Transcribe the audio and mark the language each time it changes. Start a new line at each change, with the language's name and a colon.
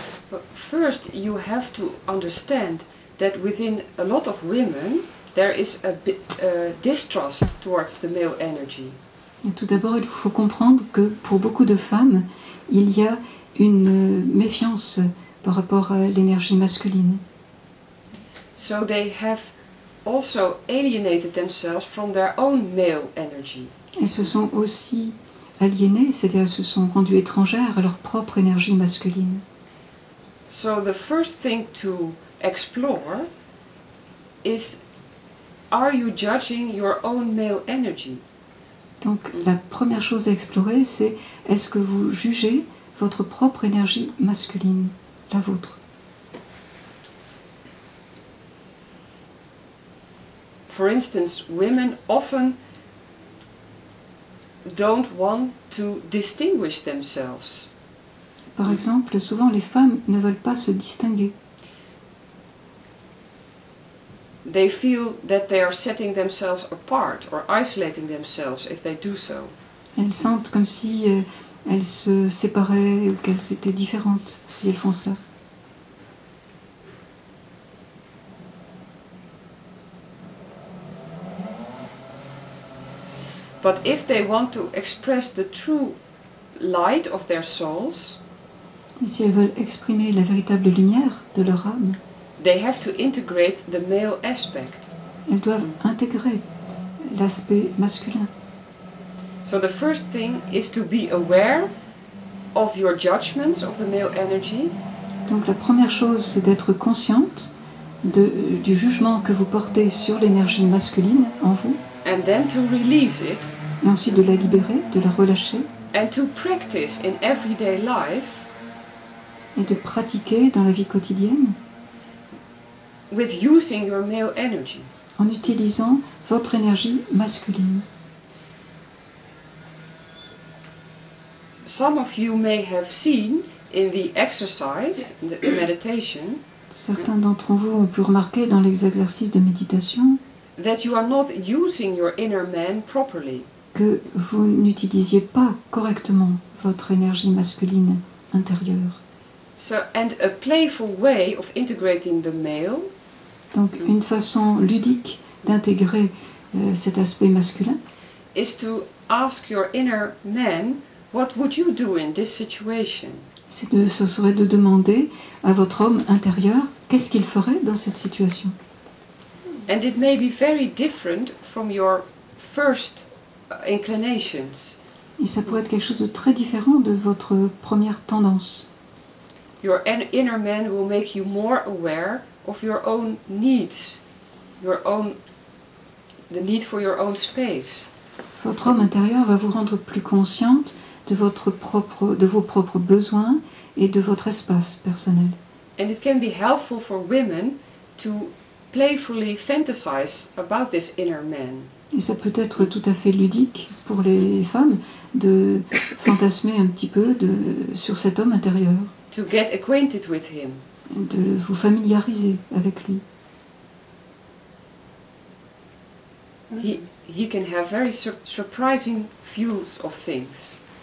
English: But first, you have to understand that within a lot of women, there is a distrust towards the male energy.
French: Tout d'abord, il faut comprendre que pour beaucoup de femmes, il y a une méfiance par rapport à l'énergie masculine.
English: So they have also alienated themselves from their own male energy.
French: Elles se sont aussi aliénées, c'est-à-dire se sont rendues étrangères à leur propre énergie masculine.
English: So the first thing to explore is, are you judging your own male energy?
French: Donc la première chose à explorer, c'est est-ce que vous jugez votre propre énergie masculine, la vôtre?
English: For instance, women often don't want to distinguish themselves.
French: Par exemple, souvent les femmes ne veulent pas se distinguer.
English: They feel that they are setting themselves apart or isolating themselves if they do so.
French: Elles sentent comme si elles se séparaient ou qu'elles étaient différentes si elles font ça.
English: But if they want to express the true light of their souls,
French: mais si elles veulent exprimer la véritable lumière de leur âme,
English: they have to integrate the male aspect.
French: Elles doivent intégrer l'aspect masculin.
English: So the first thing is to be aware of your judgments of the male energy.
French: Donc la première chose, c'est d'être consciente du jugement que vous portez sur l'énergie masculine en vous.
English: And then to release it.
French: Et ensuite de la libérer, de la relâcher.
English: And to practice in everyday life.
French: Et de pratiquer dans la vie quotidienne.
English: With using your male energy.
French: En utilisant votre énergie masculine.
English: Some of you may have seen in the exercise, the meditation.
French: Certains d'entre vous ont pu remarquer dans les exercices de méditation
English: that you are not using your inner man properly.
French: que vous n'utilisiez pas correctement votre énergie masculine intérieure.
English: So, and a playful way of integrating the male.
French: Donc une façon ludique d'intégrer cet aspect masculin.
English: Is to ask your inner man, what would you do in this situation?
French: Ce serait de demander à votre homme intérieur qu'est-ce qu'il ferait dans cette situation.
English: And it may be very different from your first inclinations.
French: Et ça pourrait être quelque chose de très différent de votre première tendance.
English: Your inner man will make you more aware of your own needs, the need for your own space.
French: Votre homme intérieur va vous rendre plus consciente de vos propres besoins et de votre espace personnel.
English: And it can be helpful for women to playfully fantasize about this inner man.
French: Et ça peut être tout à fait ludique pour les femmes de fantasmer un petit peu sur cet homme intérieur.
English: To get acquainted with him.
French: De vous familiariser avec lui.
English: He can have very surprising views of things.